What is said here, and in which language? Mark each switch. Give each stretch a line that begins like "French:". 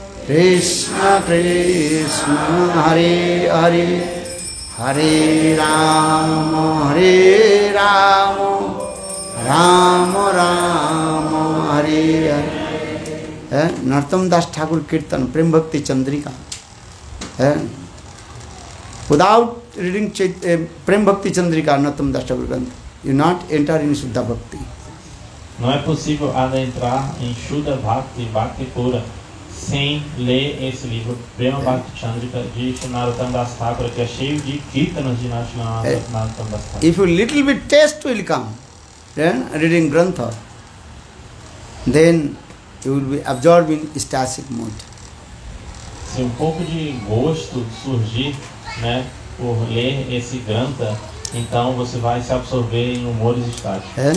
English: Krishna Krishna Hare Hare Hare Rama Hare Rama Rama Rama Hare Hare Narottam Das Thakur Kirtan Prem Bhakti Chandrika without reading Prem Bhakti Chandrika Narottam Das Thakur Granth you not enter in Shuddha Bhakti.
Portuguese: Não é possível adentrar em Shuddha Bhakti, Bhakti Pura, sem ler esse livro, Prema Bhakti Chandrika, de Narottam Das Thakur, que é cheio de kirtanas de Narottam Das Thakur.
English: If a little bit taste will come, then reading Grantha, then you will be absorbed in ecstatic mood.
Portuguese: Se um pouco de gosto surgir, né, por ler esse Grantha, então você vai se absorver em humores estáticos.